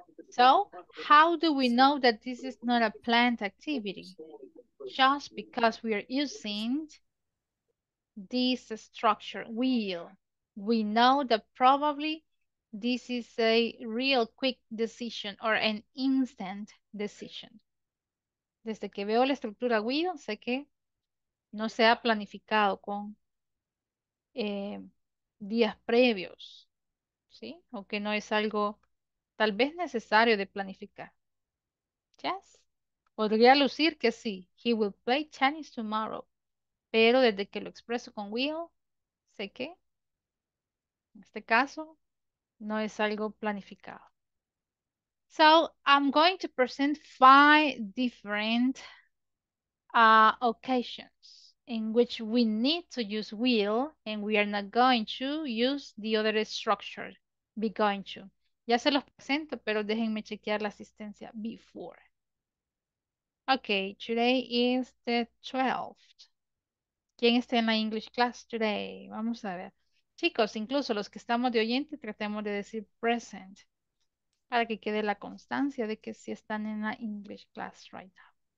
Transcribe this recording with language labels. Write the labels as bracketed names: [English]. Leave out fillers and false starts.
[English] So, how do we know that this is not a planned activity? Just because we are using this structure, will. We know that probably this is a real quick decision or an instant decision. [Spanish] Desde que veo la estructura will, sé que no se ha planificado con días previos, ¿sí? O que no es algo tal vez necesario de planificar. Yes. Podría lucir que sí, [English] he will play tennis tomorrow. [Spanish] Pero desde que lo expreso con will, sé que en este caso no es algo planificado. [English] So I'm going to present five different occasions in which we need to use will and we are not going to use the other structure, be going to. [Spanish] Ya se los presento, pero déjenme chequear la asistencia before. [English] Okay, today is the 12th. [Spanish] ¿Quién está en la [English] English class today? [Spanish] Vamos a ver. Chicos, incluso los que estamos de oyente, tratemos de decir present para que quede la constancia de que sí están en la English class [English] right now.